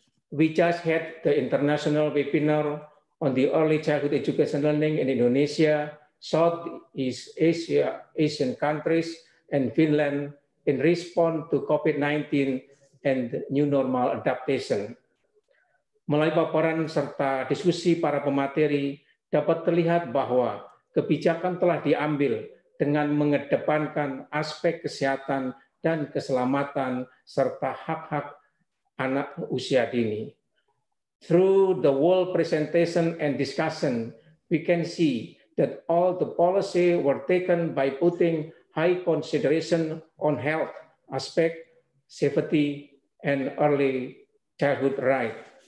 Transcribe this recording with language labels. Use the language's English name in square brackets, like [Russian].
[English] We just had the international webinar on the early childhood education learning in Indonesia, Southeast Asia, Asian countries, and Finland in response to COVID-19 and new normal adaptation. [Indonesian] Melalui paparan serta diskusi para pemateri, dapat terlihat bahwa kebijakan telah diambil dengan mengedepankan aspek kesehatan dan keselamatan serta hak-hak anak usia dini. [English] Through the whole presentation and discussion, we can see that all the policy were taken by putting high consideration on health aspect, safety, and early childhood right.